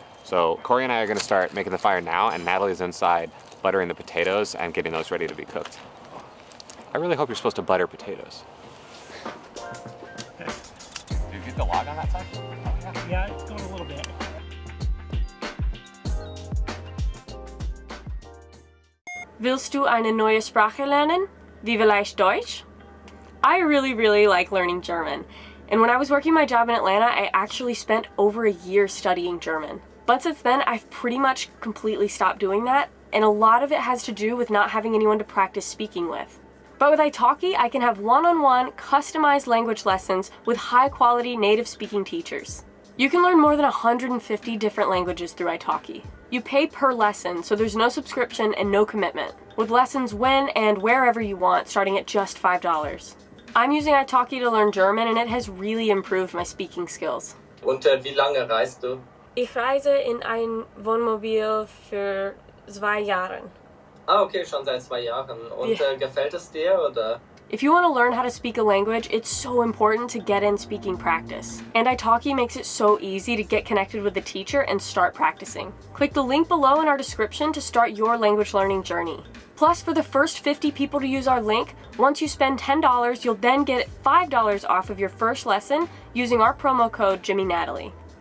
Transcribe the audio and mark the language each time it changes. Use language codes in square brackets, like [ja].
[en] So Corey and I are gonna start making the fire now, and Natalie's inside buttering the potatoes and getting those ready to be cooked. I really hope you're supposed to butter potatoes. Did you get the log on that side? Yeah, it's going a little bit. [de] Willst du eine neue Sprache lernen? Wie vielleicht Deutsch? [en] I really, really like learning German. And when I was working my job in Atlanta, I actually spent over a year studying German. But since then, I've pretty much completely stopped doing that, and a lot of it has to do with not having anyone to practice speaking with. But with italki, I can have one-on-one, customized language lessons with high-quality native speaking teachers. You can learn more than 150 different languages through italki. You pay per lesson, so there's no subscription and no commitment. with lessons when and wherever you want, starting at just $5. I'm using italki to learn German, and it has really improved my speaking skills. [de] Und wie lange reist du? Ich reise in ein Wohnmobil für 2 Jahre. Ah, okay, schon seit 2 Jahren. Und gefällt es dir, oder? [en] If you want to learn how to speak a language, it's so important to get in speaking practice. And italki makes it so easy to get connected with the teacher and start practicing. Click the link below in our description to start your language learning journey. Plus, for the first 50 people to use our link, once you spend $10, you'll then get $5 off of your first lesson using our promo code JIMMYNATALIE.